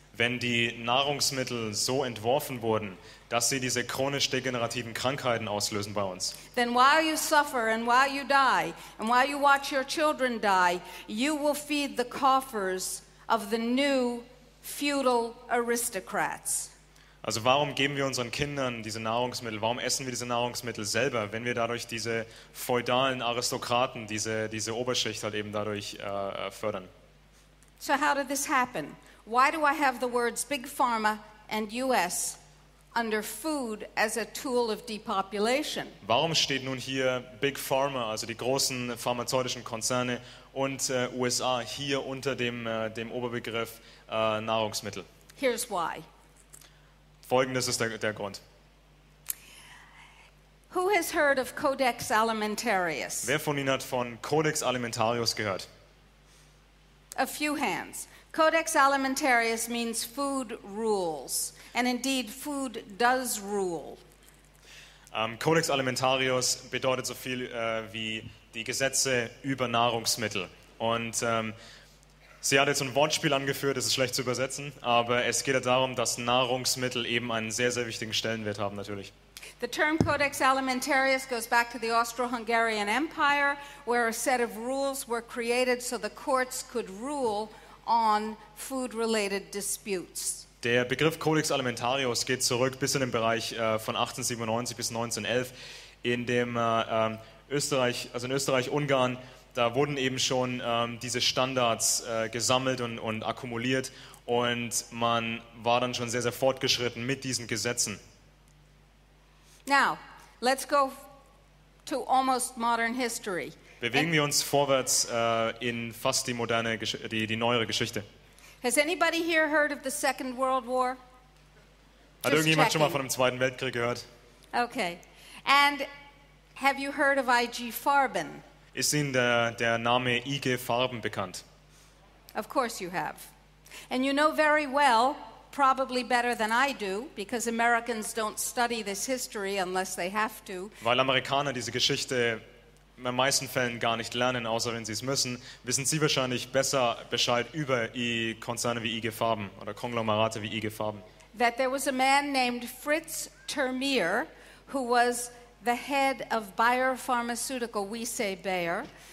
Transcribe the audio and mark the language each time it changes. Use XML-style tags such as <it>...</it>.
<de>Wenn die Nahrungsmittel so entworfen wurden, dass sie diese chronisch degenerativen Krankheiten auslösen bei uns.</de> <en>Then while you suffer and while you die and while you watch your children die, you will feed the coffers of the new feudal aristocrats.</en> <de>Also warum geben wir unseren Kindern diese Nahrungsmittel? Warum essen wir diese Nahrungsmittel selber, wenn wir dadurch diese feudalen Aristokraten, diese Oberschicht halt eben dadurch fördern?</de> <en>So how did this happen? Why do I have the words Big Pharma and US under food as a tool of depopulation?</en> <de>Warum steht nun hier Big Pharma, also die großen pharmazeutischen Konzerne und USA hier unter dem dem Oberbegriff Nahrungsmittel?</de> <en>Here's why.</en> <de>Folgendes ist der Grund.</de> <en>Who has heard of Codex Alimentarius?</en> <de>Wer von Ihnen hat von Codex Alimentarius gehört?</de> <en>A few hands. Codex Alimentarius means food rules, and indeed food does rule.</en> <de>Codex Alimentarius bedeutet so viel wie die Gesetze über Nahrungsmittel. Und sie hat jetzt ein Wortspiel angeführt, das ist schlecht zu übersetzen, aber es geht ja darum, dass Nahrungsmittel eben einen sehr, sehr wichtigen Stellenwert haben natürlich.</de> <en>The term Codex Alimentarius goes back to the Austro-Hungarian Empire, where a set of rules were created so the courts could rule on food-related disputes.</en> <de>Der Begriff Codex Alimentarius geht zurück bis in den Bereich von 1897 bis 1911, in dem Österreich, also in Österreich-Ungarn, da wurden eben schon diese Standards gesammelt und akkumuliert, und man war dann schon sehr, sehr fortgeschritten mit diesen Gesetzen.</de> <en>Now, let's go to almost modern history.</en> <de>Bewegen wir uns vorwärts in fast die moderne, die neuere Geschichte.</de> <en>Has anybody here heard of the Second World War?</en> <de>Hat irgendjemand schon mal von dem Zweiten Weltkrieg gehört?</de> <en>Okay. And have you heard of IG Farben?</en> <de>Ist Ihnen der Name IG Farben bekannt?</de> <en>Of course you have. And you know very well, probably better than I do, because Americans don't study this history unless they have to.</en> <de>Weil Amerikaner diese Geschichte in den meisten Fällen gar nicht lernen, außer wenn sie es müssen, wissen Sie wahrscheinlich besser Bescheid über Konzerne wie IG Farben oder Konglomerate wie IG Farben.</de> <en>That there was a man named Fritz Termeer, who was the head of Bayer Pharmaceutical, we say Bayer.</en>